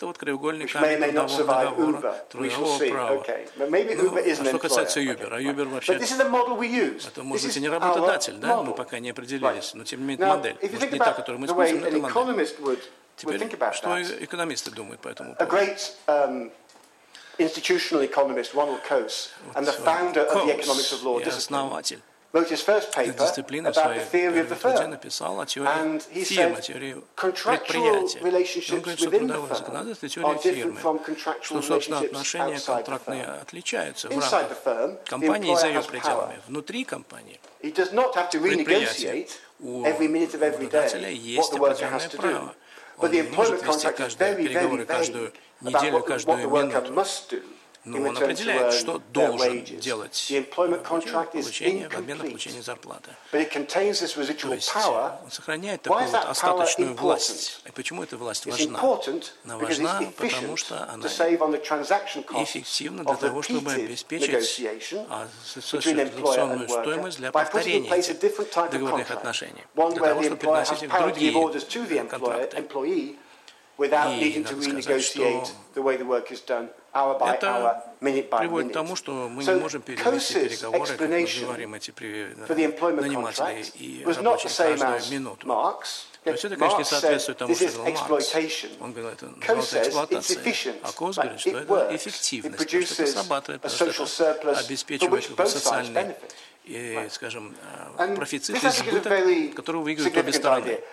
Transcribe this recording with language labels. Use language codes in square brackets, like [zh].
[ru] Это вот краеугольный камень трудового договора, трудового права. Ну, а что касается Uber, а Uber вообще это, может быть, и не работодатель, да? Мы пока не определились, но тем не менее модель. Может, не та, которую мы используем, но это модель. Теперь, что экономисты думают по этому поводу? [en] Institutional economist Ronald Coase and the founder of the economics of law discipline wrote his first paper about the theory of the firm. And he said contractual relationships within the firm are different from contractual relationships outside the firm. Inside the firm, the employer has power. He does not have to renegotiate every minute of every day what the worker has to do. But the employment contract is very, very vague. [ru] Неделю, каждую минуту. Но он определяет, что должен делать получение, в обмен на получение зарплаты. То есть он сохраняет такую вот остаточную власть. И почему эта власть важна? Она важна, потому что она эффективна для того, чтобы обеспечить социальную стоимость для повторения этих договорных отношений, для того, чтобы переносить их в другие контракты. [en] Without needing to renegotiate the way the work is done, hour by hour, minute by minute. [ru] Тому, что мы не можем перевести переговоры, как мы говорим, эти нанимателей и рабочие каждую минуту. То есть это, конечно, не соответствует тому, что сказал Маркс. Он говорил, это называется эксплуатация. А Коус говорит, что это эффективность, потому что это срабатывает, потому что это обеспечивает социальный и, скажем, профицит, избыток, которого выигрывают обе стороны.